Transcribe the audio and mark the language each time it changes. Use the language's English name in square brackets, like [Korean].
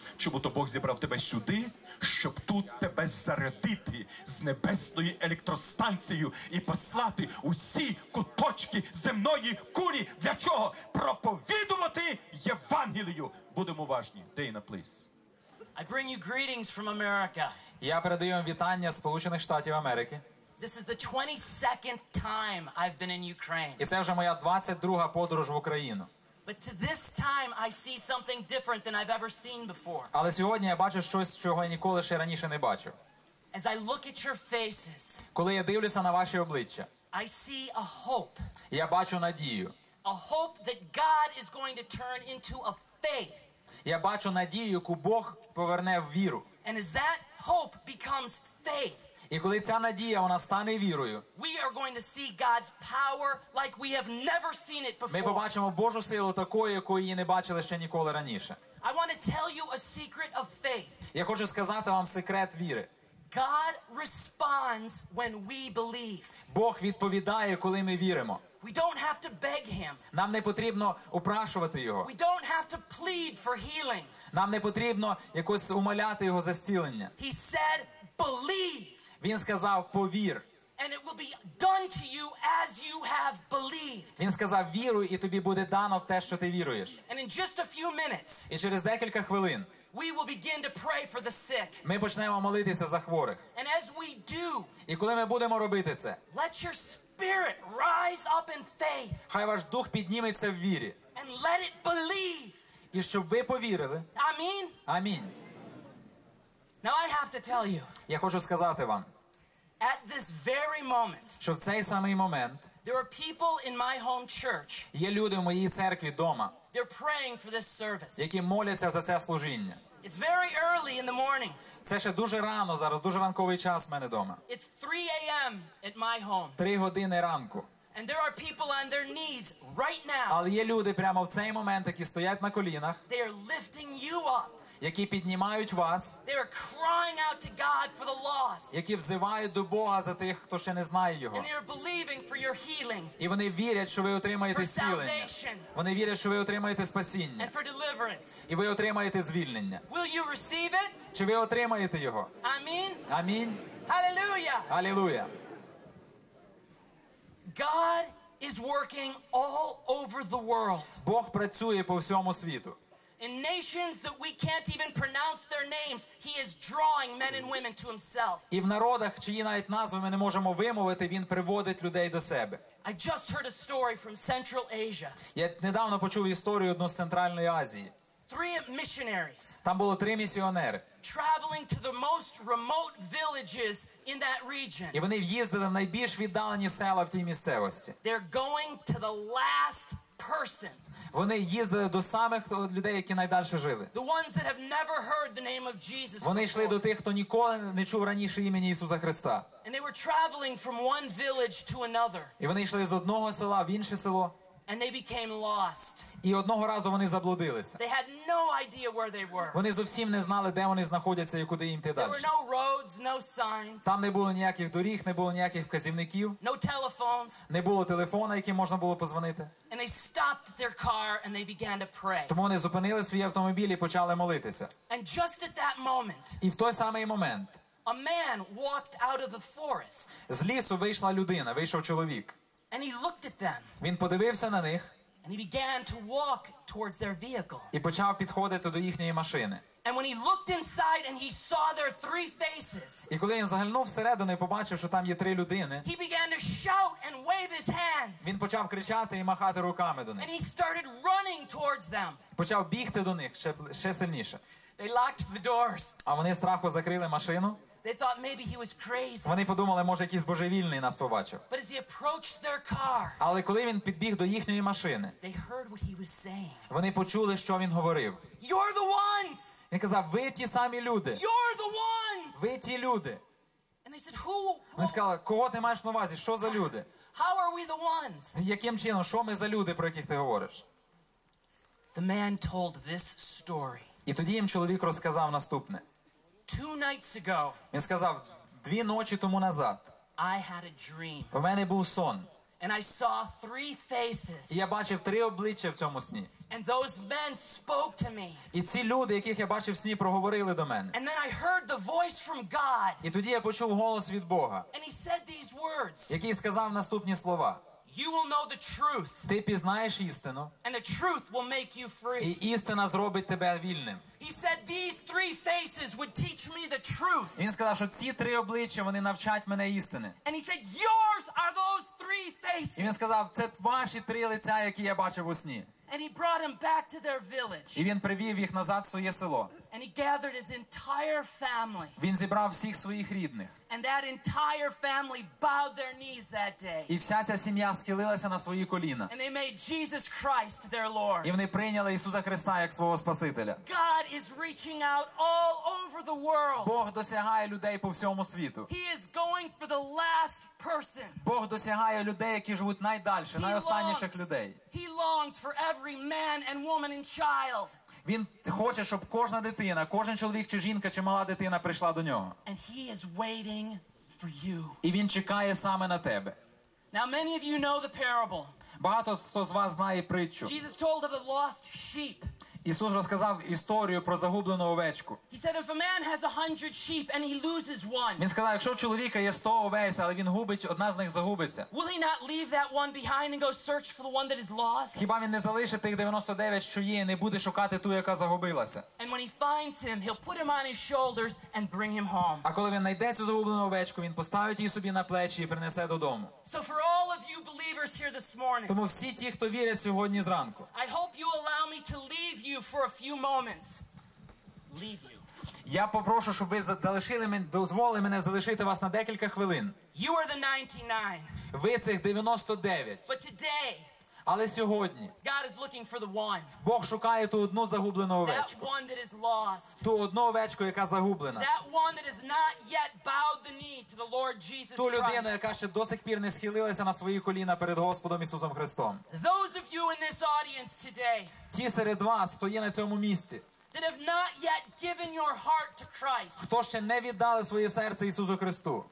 [Ukrainian] Чому то Бог зібрав тебе сюди, щоб тут тебе зарядити з небесною електростанцією і послати усі куточки земної кулі. Для чого? Проповідувати Євангелію. Будемо уважні. Дейна, плиз. [English] I bring you greetings from America. [Ukrainian] Я передаю вам вітання з Сполучених Штатів Америки. [English] This is the 22nd time I've been in Ukraine. [Ukrainian] І це вже моя 22-га подорож в Україну. [English] But to this time I see something different than I've ever seen before. [Ukrainian] Але сьогодні я бачу щось, чого я ніколи ще раніше не бачив. [English] As I look at your faces. [Ukrainian] Коли я дивлюся на ваші обличчя. [English] I see a hope. [Ukrainian] Я бачу надію. [English] A hope that God is going to turn into a faith. [Ukrainian] Я бачу надію, яку Бог поверне в віру. [English] And as that hope becomes faith. [Ukrainian] І коли ця надія, вона стане вірою, [English] we are going to see God's power like we have never seen it before. [Ukrainian] Ми побачимо Божу силу такою, якої її не бачили ще ніколи раніше. [English] I want to tell you a secret of faith. [Ukrainian] Я хочу сказати вам секрет віри. [English] God responds when we believe. [Ukrainian] Бог відповідає, коли ми віримо. [English] We don't have to beg him. [Ukrainian] Нам не потрібно упрашувати його. [English] We don't have to plead for healing. [Ukrainian] Нам не потрібно якось умоляти його за зцілення. [English] He said, believe. [Ukrainian] Він сказав, повір. [English] And it will be done to you as you have believed. [Ukrainian] Він сказав, віруй, і тобі буде дано в те, що ти віруєш. [English] And in just a few minutes. [Ukrainian] І через декілька хвилин. [English] We will begin to pray for the sick. [Ukrainian] Ми почнемо молитися за хворих. [English] And as we do. [Ukrainian] І коли ми будемо робити це. [English] Let your spirit rise up in faith. [Ukrainian] Хай ваш дух підніметься в вірі. [English] And let it believe. [Ukrainian] І щоб ви повірили. Амін. Амінь. [English] Now I have to tell you. [Ukrainian] Я хочу сказати вам. [English] At this very moment. [Ukrainian] Що в цей самий момент. [English] There are people in my home church. [Ukrainian] Є люди в моїй церкві вдома. [English] They're praying for this service. [Ukrainian] Які моляться за це служіння. [English] It's very early in the morning. [Ukrainian] Це ще дуже рано зараз, дуже ранковий час в мене вдома. [English] It's 3 a.m. at my home. [Ukrainian] 3 години ранку. [English] And there are people on their knees right now. [Ukrainian] Але є люди прямо в цей момент, які стоять на колінах. [English] They are lifting you up. [Ukrainian] Які піднімають вас, [English] they are crying out to God for the lost. [Ukrainian] Які взивають до Бога за тих, хто ще не знає Його. [English] And they are believing for your healing. [Ukrainian] І вони вірять, що ви отримаєте [English] for [Ukrainian] зцілення. [English] Salvation. [Ukrainian] Вони вірять, що ви отримаєте спасіння. [English] And for deliverance. [Ukrainian] І ви отримаєте звільнення. [English] Will you receive it? [Ukrainian] Чи ви отримаєте його? Амінь. Амінь. [English] Hallelujah. Hallelujah. God is working all over the world. [Ukrainian] Бог працює по всьому світу. [English] In nations that we can't even pronounce their names, he is drawing men and women to himself. [Ukrainian] І в народах, чиї навіть назви ми не можемо вимовити, він приводить людей до себе. [English] I just heard a story from Central Asia. [Ukrainian] Я недавно почув історію одну з Центральної Азії. [English] Three missionaries. [Ukrainian] Там було три місіонери. [English] Traveling to the most remote villages in that region. [Ukrainian] І вони в'їздили в найбільш віддалені села в тій місцевості. [English] They're going to the last person. [Ukrainian] Вони їздили до самих людей, які найдальше жили. [English] The ones that have never heard the name of Jesus. [Ukrainian] Вони йшли до тих, хто ніколи не чув раніше імені Ісуса Христа. [English] And they were traveling from one village to another. [Ukrainian] І вони йшли з одного села в інше село. [English] And they became lost. [Ukrainian] І одного разу вони заблудилися. [English] They had no idea where they were. [Ukrainian] Вони зовсім не знали, де вони знаходяться і куди їм йти далі. [English] There were no roads, no signs. [Ukrainian] Там не було ніяких доріг, не було ніяких вказівників. [English] No telephones. [Ukrainian] Не було телефона, яким можна було позвонити. [English] And they stopped their car and they began to pray. [Ukrainian] Тому вони зупинили свій автомобіль і почали молитися. [English] And just at that moment. [Ukrainian] І в той самий момент. [English] A man walked out of the forest. [Ukrainian] З лісу вийшла людина, вийшов чоловік. [English] And he looked at them. [Ukrainian] Він подивився на них. [English] And he began to walk towards their vehicle. [Ukrainian] І почав підходити до їхньої машини. [English] And when he looked inside and he saw their three faces. [Ukrainian] І коли він заглянув всередину і побачив, що там є три людини. [English] He began to shout and wave his hands. [Ukrainian] Він почав кричати і махати руками до них. [English] And he started running towards them. [Ukrainian] Почав бігти до них ще сильніше. [English] They locked the doors. [Ukrainian] А вони страху закрили машину. [English] They thought maybe he was crazy. [Ukrainian] Вони подумали, може якийсь божевільний нас побачив. [English] But as he approached their car. [Ukrainian] Але коли він підбіг до їхньої машини. [English] They heard what he was saying. [Ukrainian] Вони почули, що він говорив. [English] You're the ones. [Ukrainian] Він казав, ви ті самі люди. [English] You're the ones. [Ukrainian] Ви ті люди. [English] And they said, who? [Ukrainian] Вони сказали, кого ти маєш на увазі? Що за люди? [English] How are we the ones? [Ukrainian] Яким чином, що ми за люди, про яких ти говориш? [English] The man told this story. [Ukrainian] І тоді їм чоловік розказав наступне. [English] Two nights ago. [Ukrainian] Він сказав, дві ночі тому назад. [English] I had a dream. [Ukrainian] У мене був сон. [English] And I saw three faces. [Ukrainian] І я бачив три обличчя в цьому сні. [English] And those men spoke to me. [Ukrainian] І ці люди, яких я бачив в сні, проговорили до мене. [English] And then I heard the voice from God. [Ukrainian] І тоді я почув голос від Бога. [English] And he said these words. [Ukrainian] Який сказав наступні слова. [English] You will know the truth. [Ukrainian] Ти пізнаєш істину. [English] And the truth will make you free. [Ukrainian] І істина зробить тебе вільним. [English] He said these three faces would teach me the truth. [Ukrainian] Він сказав, що ці три обличчя, вони навчать мене істини. [English] And he said yours are those three faces. [Ukrainian] І він сказав, це ваші три лиця, які я бачив у сні. [English] And he brought him back to their village. [Ukrainian] І він привів їх назад в своє село. [English] And he gathered his entire family. [Ukrainian] Він зібрав всіх своїх рідних. [English] And that entire family bowed their knees that day. [Ukrainian] І вся ця сім'я схилилася на свої коліна. [English] And they made Jesus Christ their Lord. [Ukrainian] І вони прийняли Ісуса Христа як свого Спасителя. [English] God is reaching out all over the world. [Ukrainian] Бог досягає людей по всьому світу. [English] He is going for the last person. [Ukrainian] Бог досягає людей, які живуть найдальше, найостанніших людей. [English] He longs for every man and woman and child. [Ukrainian] Він хоче, щоб кожна дитина, кожен чоловік чи жінка, чи мала дитина прийшла до нього. [English] And he is waiting for you. [Ukrainian] І він чекає саме на тебе. [English] Now many of you know the parable. [Ukrainian] Багато хто з вас знає притчу. [English] Jesus told of the lost sheep. [Ukrainian] Ісус розказав історію про загублену овечку. [English] He said if a man has 100 sheep and he loses one. [Ukrainian] Він сказав, якщо у чоловіка є 100 овець, але він губить, одна з них загубиться. [English] Will he not leave that one behind and go search for the one that is lost? [Ukrainian] Хіба він не залишить тих 99, що є, і не буде шукати ту, яка загубилася? [English] And when he finds him, he'll put him on his shoulders and bring him home. [Ukrainian] А коли він знайде цю загублену овечку, він поставить її собі на плечі і принесе додому. [English] So for all of you believers here this morning. [Ukrainian] Тому всі ті, хто вірять сьогодні зранку. [English] I hope you allow me to leave you for a few moments. Leave you. [Ukrainian] Я попрошу, щоб ви залишили мене, дозволили мене залишити вас на декілька хвилин. [English] You are the 99. [Ukrainian] Ви цих 99. [English] But today. [Ukrainian] Але сьогодні. [English] God is looking for the one. [Ukrainian] Бог шукає ту одну загублену овечку. [English] That one that is lost. [Ukrainian] Ту одну овечку, яка загублена. [English] That one that has not yet bowed the knee to the Lord Jesus Christ. [Ukrainian] Ту людину, яка ще до сих пір не схилилася на свої коліна перед Господом Ісусом Христом. [English] Those of you in this audience today. [Ukrainian] Ті серед вас, хто є на цьому місці. [English] That have not yet given your heart to Christ. [Ukrainian] Хто ще не віддали своє серце Ісусу Христу.